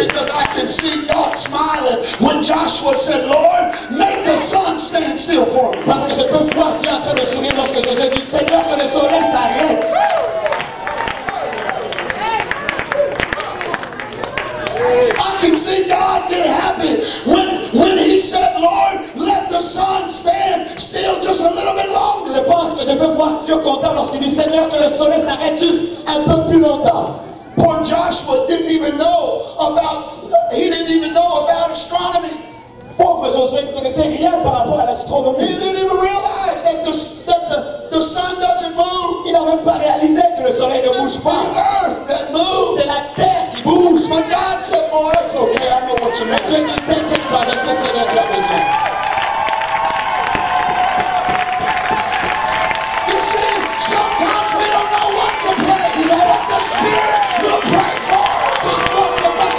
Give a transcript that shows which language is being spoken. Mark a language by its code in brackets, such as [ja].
[en] Because I can see God smiling when Joshua said, Lord, make the sun stand still for me. I can see God get happy when he said, Lord, let the sun stand still just a little bit longer. [fr] Je pense que je peux voir Dieu content lorsqu'il dit, Seigneur, que le soleil s'arrête juste un peu plus longtemps. [en] Poor Joshua didn't even know about, he didn't even know about astronomy. [fr] Pauvre Josué ne connaissait rien par rapport à l'astronomie. [en] He didn't even realize that the sun doesn't move. [fr] Il n'a même pas réalisé que le soleil ne bouge pas. [en] The earth that moves. [fr] C'est la terre. Boost. [en] But God said, boy, that's okay, I know what you meant. [fr] Je n'ai pas dit que je sais ce que tu as besoin. [en] You see, sometimes we don't know what to pray. You know what the Spirit will pray for.